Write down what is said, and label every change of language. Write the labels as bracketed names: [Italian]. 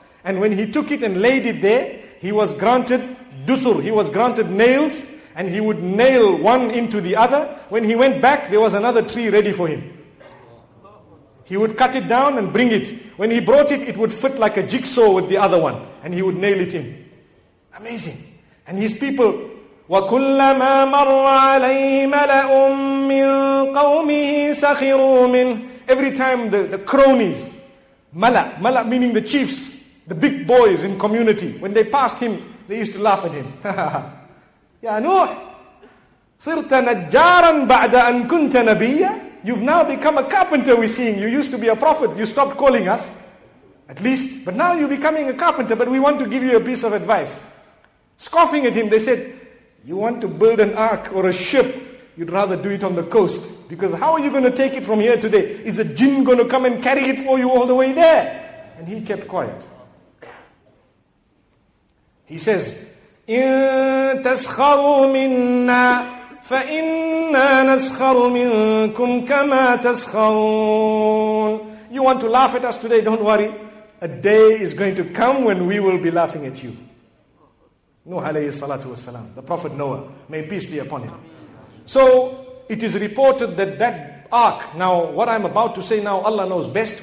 [English] And when he took it and laid it there, he was granted dusur, he was granted nails, and he would nail one into the other. When he went back, there was another tree ready for him. He would cut it down and bring it. When he brought it, it would fit like a jigsaw with the other one, and he would nail it in. Amazing. And his people, [Arabic] وَكُلَّمَا مَرَّ عَلَيْهِ مَلَأٌ مِّن قَوْمِهِ سَخِرُوا مِنْ. [English] Every time the cronies, mala meaning the chiefs, the big boys in community, when they passed him, they used to laugh at him. [Arabic] Ya Nuh, صِرْتَ نَجَّارًا بَعْدَ أَن كُنْتَ نَبِيًّا. [English] You've now become a carpenter, we're seeing. You used to be a prophet. You stopped calling us, at least. But now you're becoming a carpenter, but we want to give you a piece of advice. Scoffing at him, they said, you want to build an ark or a ship, you'd rather do it on the coast. Because how are you going to take it from here today? Is a jinn going to come and carry it for you all the way there? And he kept quiet. He says, [Arabic] إِن تَسْخَرُوا مِنَّا فَإِنَّا نَسْخَرُ مِنْكُمْ كَمَا تَسْخَرُونَ. [English] You want to laugh at us today, don't worry. A day is going to come when we will be laughing at you. Nuh alayhi salatu wasalam, the Prophet Noah, may peace be upon him. So it is reported that that ark, now what I'm about to say now, Allah knows best.